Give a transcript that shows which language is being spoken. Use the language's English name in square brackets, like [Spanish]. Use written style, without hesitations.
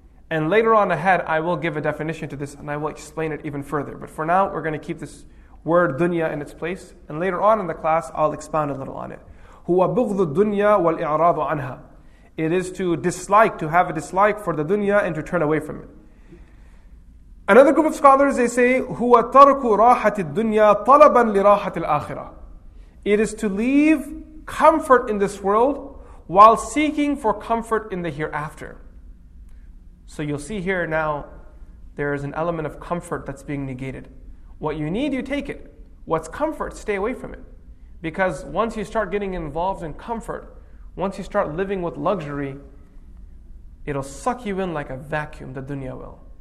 [English] And later on ahead, I will give a definition to this and I will explain it even further. But for now, we're going to keep this word dunya in its place. And later on in the class, I'll expound a little on it. [Arabic] هُوَ بُغْضُ الدُّنْيَا وَالْإِعْرَاضُ عَنْهَا. [English] It is to dislike, to have a dislike for the dunya and to turn away from it. Another group of scholars, they say, [Arabic] هُوَ تَرْكُ رَاحَةِ الدُّنْيَا طَلَبًا لِرَاحَةِ الْآخِرَةِ. [English] It is to leave comfort in this world while seeking for comfort in the hereafter. So you'll see here now, there is an element of comfort that's being negated. What you need, you take it. What's comfort, stay away from it. Because once you start getting involved in comfort, once you start living with luxury, it'll suck you in like a vacuum, the dunya will.